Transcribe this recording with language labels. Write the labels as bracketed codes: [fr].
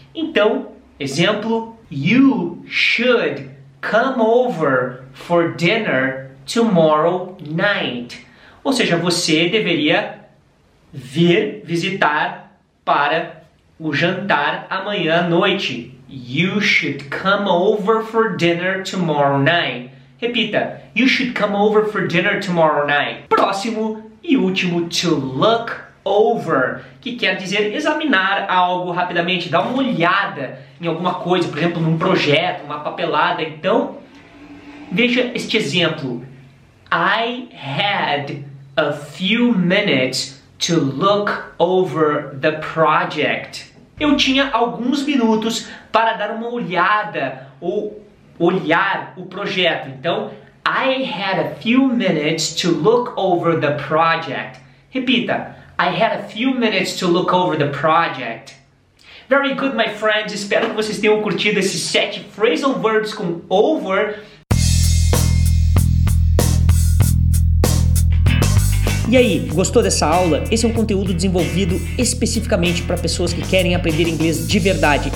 [pt] Então, exemplo, [en] you should come over for dinner tomorrow night. [pt] Ou seja, você deveria vir visitar para o jantar amanhã à noite. [en] You should come over for dinner tomorrow night. [pt] Repita. [en] You should come over for dinner tomorrow night. [pt] Próximo e último, [en] to look over, [pt] que quer dizer examinar algo rapidamente, dar uma olhada em alguma coisa, por exemplo, num projeto, uma papelada. Então, veja este exemplo. [en] I had a few minutes to look over the project. [pt] Eu tinha alguns minutos para dar uma olhada ou olhar o projeto. Então, [en] I had a few minutes to look over the project. [pt] Repita. [en] I had a few minutes to look over the project. Very good, my friends. [pt] Espero que vocês tenham curtido esses 7 phrasal verbs com over. E aí, gostou dessa aula? Esse é um conteúdo desenvolvido especificamente para pessoas que querem aprender inglês de verdade.